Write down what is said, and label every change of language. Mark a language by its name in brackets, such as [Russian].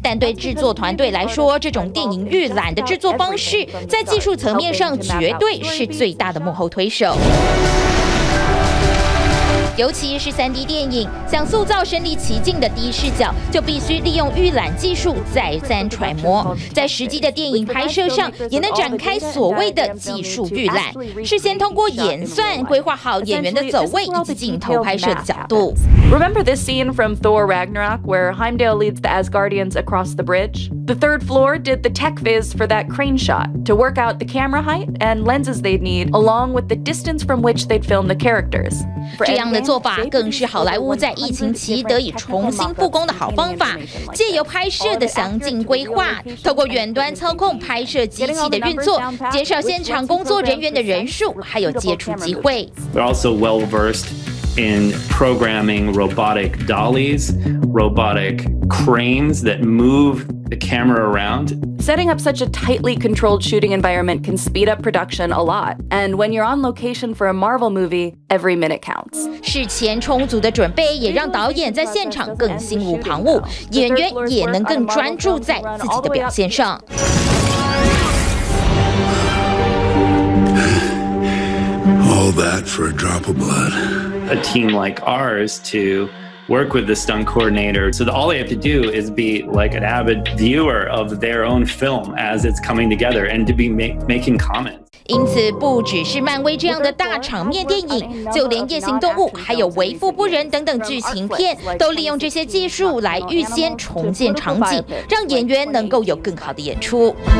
[Chinese] 但对制作团队来说，这种电影预览的制作方式在技术层面上绝对是最大的幕后推手。尤其是 3D 电影，想塑造身临其境的第一视角，就必须利用预览技术再三揣摩，在实际的电影拍摄上也能展开所谓的技术预览，事先通过演算规划好演员的走位以及镜头拍摄的角度。 [English] Remember this scene from Thor Ragnarok where Heimdall leads the Asgardians across the bridge? The Third Floor did the tech viz for that crane shot to work out the camera height and lenses they'd need, along with the distance from which they'd film the characters. [Chinese] 这样的做法更是好莱坞在疫情期得以重新复工的好方法，借由拍摄的详尽规划，透过远端操控拍摄机器的运作，减少现场工作人员的人数还有接触机会。 [English] They're also well versed in programming robotic dollies, robotic cranes that move the camera around. Setting up such a tightly controlled shooting environment can speed up production a lot. And when you're on location for a Marvel movie, every minute counts. [Chinese] 事前充足的准备也让导演在现场更心无旁骛，演员也能更专注在自己的表现上。 [English] All that for a drop of blood. A team like ours to... work with the stunt coordinator. So all they have to do is be like an avid viewer of their own film as it's coming together and to be making comments. [Chinese] 因此不只是漫威这样的大场面电影，就连夜行动物还有为富不仁等等剧情片都利用这些技术来预先重建场景，让演员能够有更好的演出。